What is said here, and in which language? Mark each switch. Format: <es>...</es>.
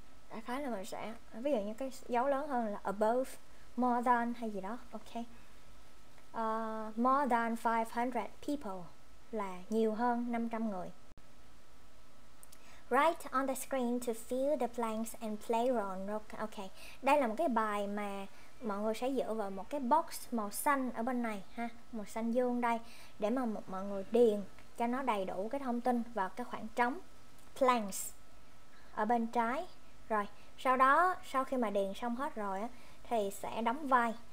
<vi>Đại khái là mình sẽ ví dụ như cái dấu lớn hơn là above, more than hay gì đó. Ok.</vi> <en>More than 500 people</en> <vi>là nhiều hơn 500 người.</vi> <en>Write on the screen to fill the blanks and play around. Ok.</en> <vi>Đây là một cái bài mà mọi người sẽ dựa vào một cái box màu xanh ở bên này ha, màu xanh dương đây, để mà mọi người điền cho nó đầy đủ cái thông tin vào cái khoảng trống blanks ở bên trái. Rồi sau đó, sau khi mà điền xong hết rồi á, thì sẽ đóng vai.</vi>